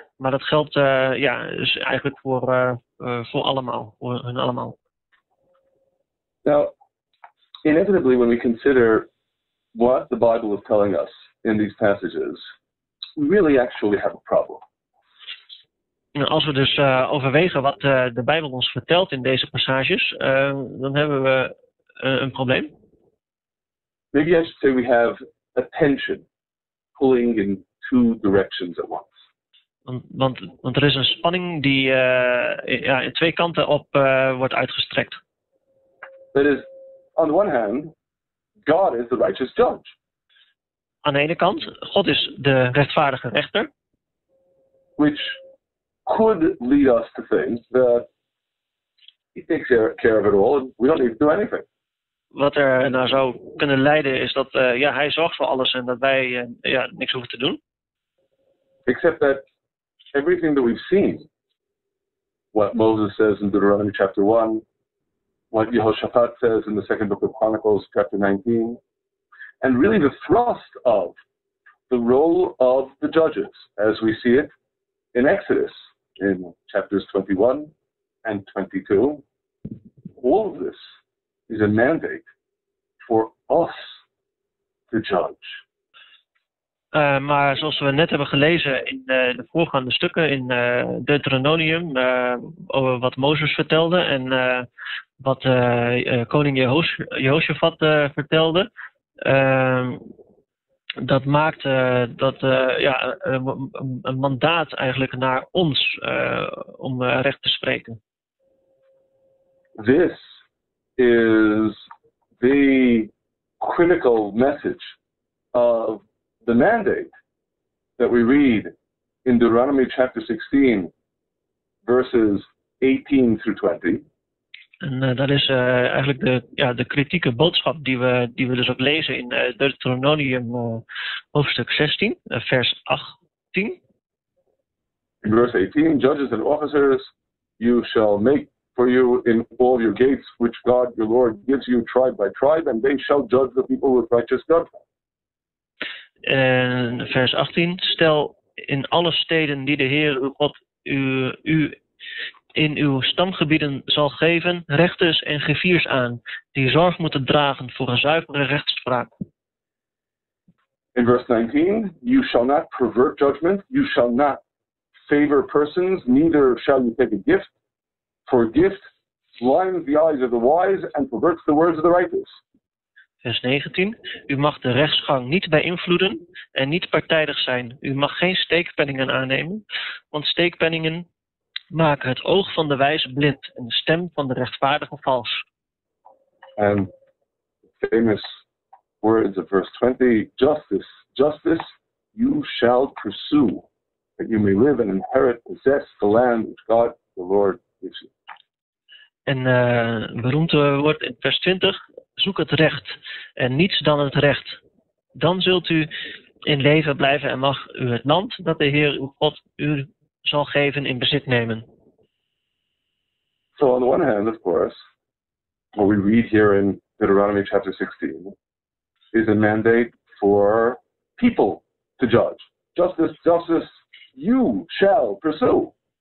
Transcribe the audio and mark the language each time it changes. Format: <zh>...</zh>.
<nl>Maar dat geldt dus eigenlijk voor allemaal, voor hun allemaal.</nl> <en>Now, inevitably when we consider what the Bible is telling us in these passages, we really actually have a problem.</en> <nl>Als we dus overwegen wat de Bijbel ons vertelt in deze passages, dan hebben we een probleem.</nl> <en>Maybe I should say we have a tension pulling in two directions at once.</en> <nl>Want er is een spanning die in twee kanten op wordt uitgestrekt.</nl> <en>That is, on the one hand, God is the righteous judge.</en> <nl>Aan de ene kant, God is de rechtvaardige rechter.</nl> <en>Which could lead us to think that he takes care of it all and we don't need to do anything.</en> <nl>Wat er nou zou kunnen leiden is dat hij zorgt voor alles en dat wij niks hoeven te doen.</nl> <en>Except that everything that we've seen, what Moses says in Deuteronomy chapter 1, what Jehoshaphat says in the second book of Chronicles, chapter 19, and really the thrust of the role of the judges, as we see it in Exodus, in chapters 21 and 22, all of this is a mandate for us to judge.</en> <nl>Maar zoals we net hebben gelezen in de voorgaande stukken in Deuteronomium, over wat Mozes vertelde en wat koning Jehoshaphat vertelde, dat maakt dat een mandaat eigenlijk naar ons om recht te spreken.</nl> <en>This is the critical message of the mandate that we read in Deuteronomy chapter 16, verses 18 through 20.</en> <nl>En dat is eigenlijk de kritieke boodschap die we dus ook lezen in Deuteronomium hoofdstuk 16, vers 18.</nl> <en>In verse 18, judges and officers, you shall make for you in all your gates, which God your Lord gives you tribe by tribe, and they shall judge the people with righteous judgment.</en> <nl>En vers 18, stel in alle steden die de Heer uw God u in uw stamgebieden zal geven rechters en griffiers aan die zorg moeten dragen voor een zuivere rechtspraak.</nl> <en>In verse 19, you shall not pervert judgment, you shall not favor persons, neither shall you take a gift, for a gift blinds the eyes of the wise and perverts the words of the righteous.</en> <nl>Vers 19, u mag de rechtsgang niet beïnvloeden en niet partijdig zijn. U mag geen steekpenningen aannemen, want steekpenningen maak het oog van de wijze blind en de stem van de rechtvaardige vals. En de</nl> <en>famous words of verse 20, justice, justice, you shall pursue, that you may live and inherit, possess the land which God, the Lord, gives you.</en> <nl>En beroemd woord in vers 20, zoek het recht en niets dan het recht. Dan zult u in leven blijven en mag u het land dat de Heer uw God u zal geven in bezit nemen.</nl> <en>So on the one hand, of course, what we read here in Deuteronomy chapter 16 is a mandate for people to judge. Justice you shall pursue.</en>